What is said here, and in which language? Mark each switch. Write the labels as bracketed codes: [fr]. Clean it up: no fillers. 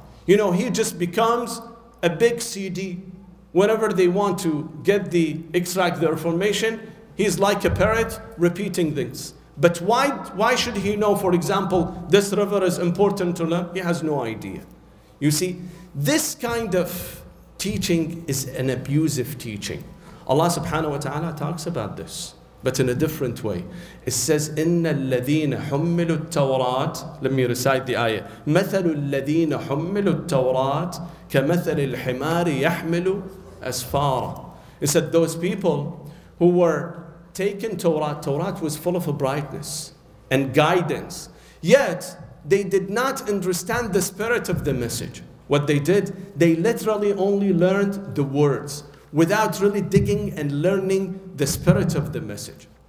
[en] You know, he just becomes a big CD. Whenever they want to get the extract the information, he's like a parrot repeating things. But why should he know, for example, this river is important to learn? He has no idea. You see, this kind of teaching is an abusive teaching. Allah subhanahu wa ta'ala talks about this, but in a different way. It says, [ar] إِنَّ الَّذِينَ حُمِّلُوا التَّوْرَاتِ, [en] let me recite the ayah, [ar] مَثَلُ الَّذِينَ حُمِّلُوا التَّوْرَاتِ كَمَثَلِ الْحِمَارِ يَحْمِلُ أَسْفَارًا. [en] It said, those people who were taken Torah, Torah was full of a brightness and guidance, yet they did not understand the spirit of the message. What they did, they literally only learned the words without really digging and learning the spirit of the message.